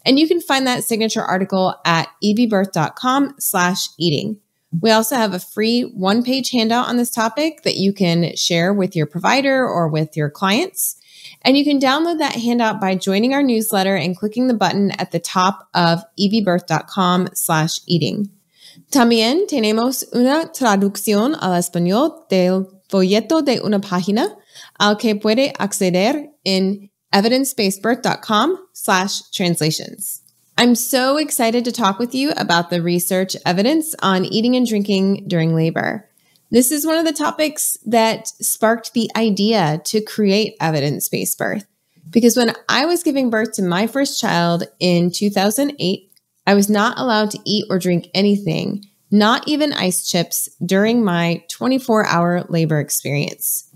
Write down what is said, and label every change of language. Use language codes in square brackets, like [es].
[en] And you can find that signature article at ebbirth.com/eating. We also have a free one-page handout on this topic that you can share with your provider or with your clients. And you can download that handout by joining our newsletter and clicking the button at the top of ebbirth.com/eating. [es] También tenemos una traducción al español del folleto de una página al que puede acceder en evidencebasedbirth.com/translations. [en] I'm so excited to talk with you about the research evidence on eating and drinking during labor. This is one of the topics that sparked the idea to create Evidence-Based Birth. Because when I was giving birth to my first child in 2008, I was not allowed to eat or drink anything, not even ice chips, during my 24-hour labor experience.